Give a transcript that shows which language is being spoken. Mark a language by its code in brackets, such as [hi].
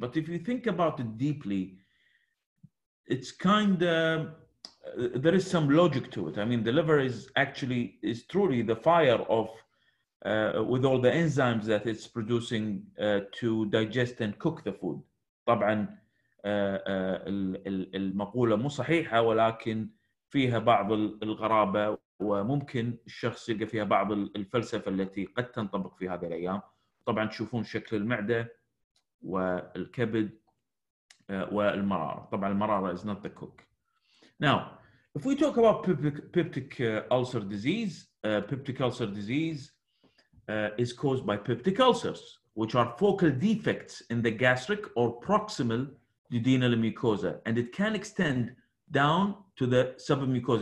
[en] But if you think about it deeply, it's kind of, there is some logic to it. I mean, the liver is truly the fire of with all the enzymes that it's producing to digest and cook the food. [ar] طبعا المقولة مو صحيحة ولكن فيها بعض الغرابة وممكن الشخص يلقى فيها بعض الفلسفة التي قد تنطبق في هذه الأيام. طبعا تشوفون شكل المعدة والكبد والمرارة. طبعا المرارة [en] is not the cook. Now, if we talk about peptic ulcer disease, peptic ulcer disease is caused by peptic ulcers, which are focal defects in the gastric or proximal duodenal mucosa, and it can extend down to the submucosa.